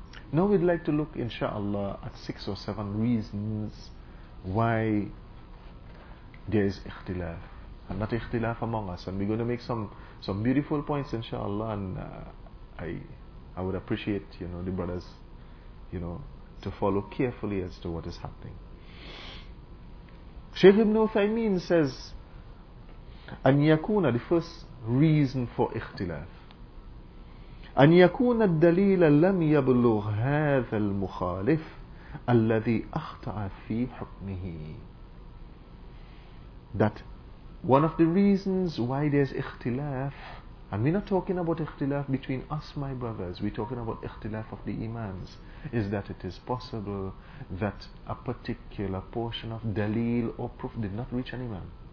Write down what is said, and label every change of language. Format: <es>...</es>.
<en>Now we'd like to look, inshaAllah, at six or seven reasons why there is ikhtilaf, and not ikhtilaf among us. And we're going to make some beautiful points, inshaAllah, and I would appreciate, you know, the brothers, you know, to follow carefully as to what is happening. Shaykh Ibn Uthaymeen says,</en> <ar>أن يكون,</ar> <en>the first reason for</en> <ar>اختلاف, أن يكون الدليل لم يبلغ هذا المخالف الذي أخطأ في حكمه.</ar> <en>That one of the reasons why there's اختلاف, and we're not talking about اختلاف between us, my brothers, we're talking about اختلاف of the imams, is that it is possible that a particular portion of dalil or proof did not reach an imam.</en>